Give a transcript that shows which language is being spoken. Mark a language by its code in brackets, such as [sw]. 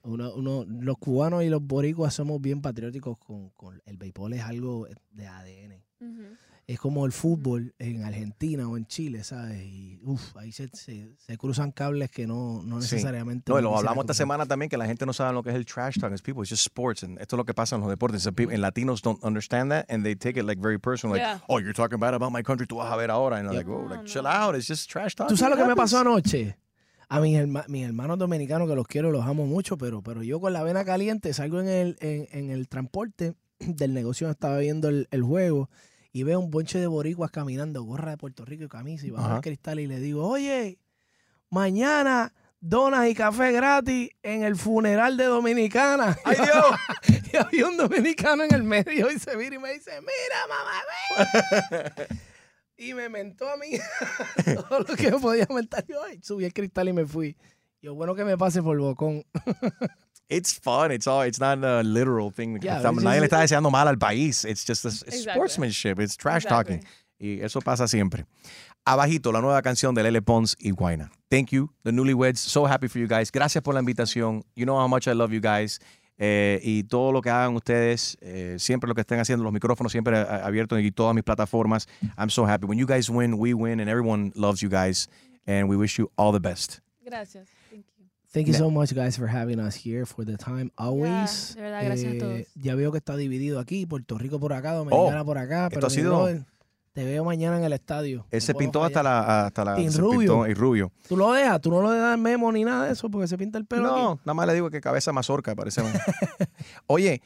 [es] Los cubanos y los boricuas somos bien patrióticos con el béisbol, es algo de ADN. Uh-huh. Es como el fútbol en Argentina o en Chile, ¿sabes? Y ahí se cruzan cables que no necesariamente... Sí. No, y lo hablamos esta semana también, que la gente no sabe lo que es el trash talk. [en] It's people, it's just sports. And [es] esto es lo que pasa en los deportes. [en] So people, and Latinos don't understand that, and they take it like very personal. Like, yeah. Oh, you're talking bad about my country, [es] tú vas a ver ahora. [en] And they're like, oh, like, chill out, it's just trash talk. [es] ¿Tú sabes lo que me pasó anoche? A mis hermanos dominicanos, que los quiero, los amo mucho, pero yo con la vena caliente salgo en el transporte del negocio, estaba viendo el juego... Y veo un bonche de boricuas caminando, gorra de Puerto Rico y camisa, y bajo el cristal y le digo, oye, mañana donas y café gratis en el funeral de Dominicana. ¡Ay, Dios! Y había un dominicano en el medio y se mira y me dice, ¡mira, mamá, ve! Y me mentó a mí todo lo que podía mentar. Yo subí el cristal y me fui. Yo, bueno, que me pase por bocón. [en] It's fun. It's not a literal thing. [es] Nadie le está deseando mal al país. [en] It's just it's sportsmanship. It's trash talking. [es] Y eso pasa siempre. Abajito, la nueva canción de Lele Pons y Guayna. [en] Thank you, the newlyweds. So happy for you guys. [es] Gracias por la invitación. [en] You know how much I love you guys. [es] Y todo lo que hagan ustedes, siempre lo que estén haciendo, los micrófonos siempre abiertos y todas mis plataformas. [en] I'm so happy. When you guys win, we win, and everyone loves you guys. And we wish you all the best. [es] Gracias. [en] Thank you so much, guys, for having us here for the time, always. [es] Yeah, de verdad, gracias a todos. Ya veo que está dividido aquí, Puerto Rico por acá, Dominicana por acá. Pero esto ha sido... Te veo mañana en el estadio. Ese pintó hasta la... Y Rubio. Y Rubio. ¿Tú lo dejas? ¿Tú no lo dejas en memo ni nada de eso? Porque se pinta el pelo. No, aquí. Nada más le digo que cabeza mazorca, parece. Oye.